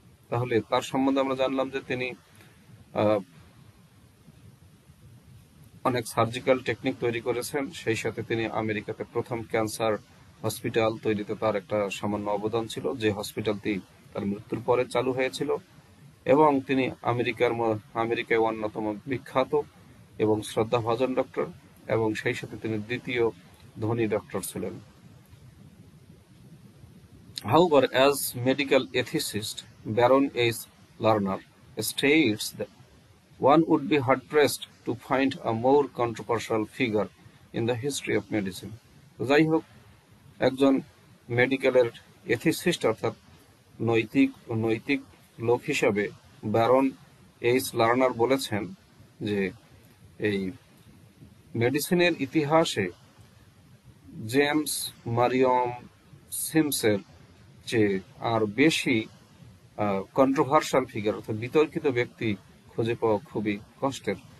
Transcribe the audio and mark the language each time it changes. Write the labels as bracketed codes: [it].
[bn] তাহলে তার সম্বন্ধে আমরা জানলাম যে তিনি অনেক সার্জিক্যাল টেকনিক তৈরি করেছেন, সেই সাথে তিনি আমেরিকাতে প্রথম ক্যান্সার হসপিটাল তৈরিতে তার একটা সামান্য অবদান ছিল যে হসপিটালটি তার মৃত্যুর পরে চালু হয়েছিল, এবং তিনি আমেরিকায় অন্যতম বিখ্যাত এবং শ্রদ্ধাভাজন ডক্টর, এবং সেই সাথে তিনি দ্বিতীয় ধনী ডক্টর ছিলেন। [en] However, as medical ethicist Baron S. Lerner states that one would be hard pressed to find a more controversial figure in the history of medicine. [bn] যাই হোক, একজন মেডিকেলের এথিসিস্ট অর্থাৎ নৈতিক লোক হিসাবে ব্যারন এইচ লার্নার বলেছেন যে এই মেডিসিনের ইতিহাসে জেমস মারিয়ম সিমসের চেয়ে আর বেশি কন্ট্রোভার্সাল ফিগার অর্থাৎ বিতর্কিত ব্যক্তি খুঁজে পাওয়া খুবই কষ্টের।